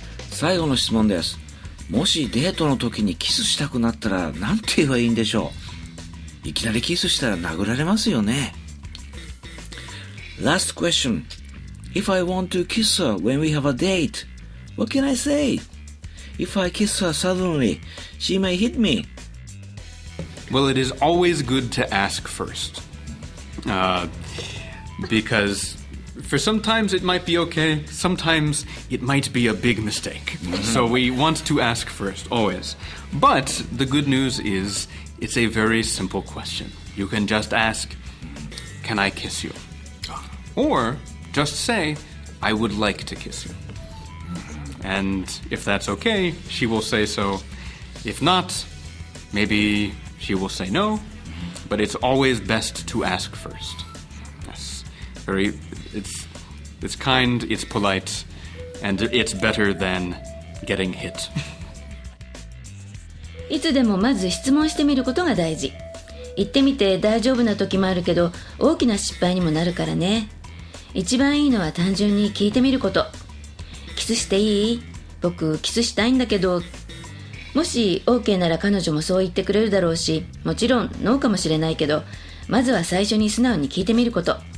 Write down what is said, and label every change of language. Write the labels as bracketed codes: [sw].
[ja] 最後の質問です。もしデートの時にキスしたくなったら何て言えばいいんでしょう。いきなりキスしたら殴られますよね。 [en] Last question. If I want to kiss her when we have a date, what can I say? If I kiss her suddenly, she may hit me. Well, it is always good to ask first. Because... For sometimes it might be okay, sometimes it might be a big mistake. So we want to ask first, always. But the good news is, it's a very simple question. You can just ask, can I kiss you? Or just say, I would like to kiss you. And if that's okay, she will say so. If not, maybe she will say no. But it's always best to ask first. Yes, very... It's kind, it's polite, and it's better than getting hit. [ja] いつでもまず質問してみることが大事。言ってみて大丈夫な時もあるけど、大きな失敗にもなるからね。一番いいのは単純に聞いてみること。キスしていい？僕キスしたいんだけど。もし OK なら彼女もそう言ってくれるだろうし、もちろんノーかもしれないけど、まずは最初に素直に聞いてみること。